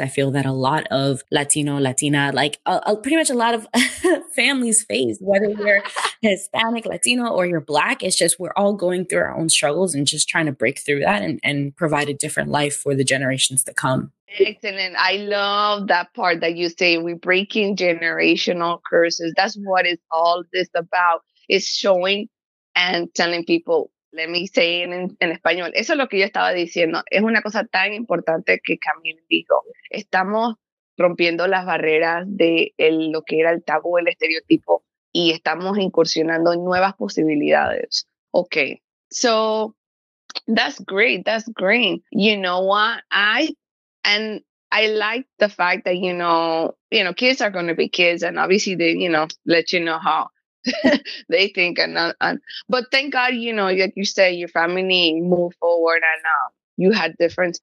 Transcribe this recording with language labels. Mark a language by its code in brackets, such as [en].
[en] I feel that a lot of Latino, Latina, like pretty much a lot of families face, whether you're Hispanic, Latino, or you're Black, it's just we're all going through our own struggles and just trying to break through that and provide a different life for the generations to come. Excellent. I love that part that you say, we're breaking generational curses. That's what it's all this about, is showing and telling people. Let me say [es] en español. Eso es lo que yo estaba diciendo. Es una cosa tan importante que Camille dijo. Estamos rompiendo las barreras de lo que era el tabú, el estereotipo, y estamos incursionando en nuevas posibilidades. [en] Okay. So, that's great. That's great. You know what? I like the fact that, you know, kids are going to be kids, and obviously they, you know, let you know how they think, but thank God, you know, like you say, your family moved forward and you had difference.